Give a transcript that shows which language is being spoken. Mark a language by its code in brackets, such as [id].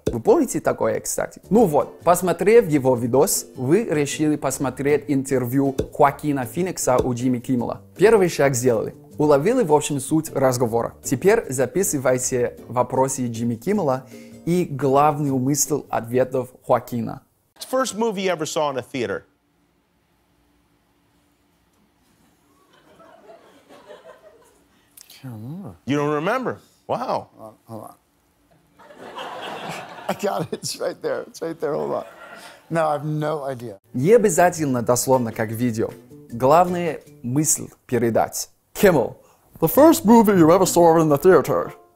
[ru] Вы помните такое, кстати? Ну вот, посмотрев его видос, вы решили посмотреть интервью Хоакина Феникса у Джимми Киммела. Первый шаг сделали. Уловили, в общем, суть разговора. Теперь записывайте вопросы Джимми Киммела и главный умысел ответов Хоакина. [en] First movie you ever saw in a theater? You don't remember? Wow. Hold on. I got it. It's right there. Hold on. No, I have no idea. [ru] Не обязательно дословно, как видео. Главное – мысль передать. [en] Kimmel. The first movie you ever saw in the theater.